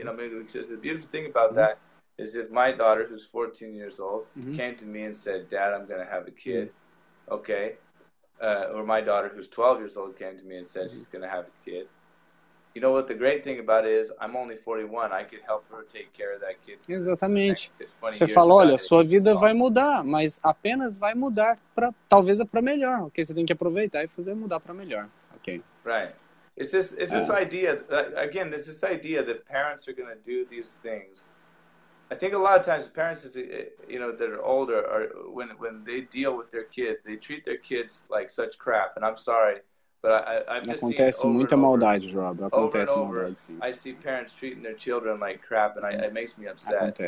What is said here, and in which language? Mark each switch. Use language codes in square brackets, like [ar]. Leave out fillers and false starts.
[en] And I mean, which is the beautiful thing about that is if my daughter, who's 14 years old, came to me and said, Dad, I'm going to have a kid, okay? Or my daughter, who's 12 years old, came to me and said she's going to have a kid. You know what the great thing about it is, I'm only 41, I could help her take care of that kid. [pt] Exatamente. Você fala, olha, sua vida vai mudar, mas apenas vai mudar para talvez para melhor, ok? Você tem que aproveitar e fazer mudar para melhor, ok? [en] Right. It's this idea that parents are going to do these things. I think a lot of times parents, you know, that are older, are, when they deal with their kids, they treat their kids like such crap, and I'm sorry. But I've just seen over and over, I see parents treating their children like crap, and it makes me upset.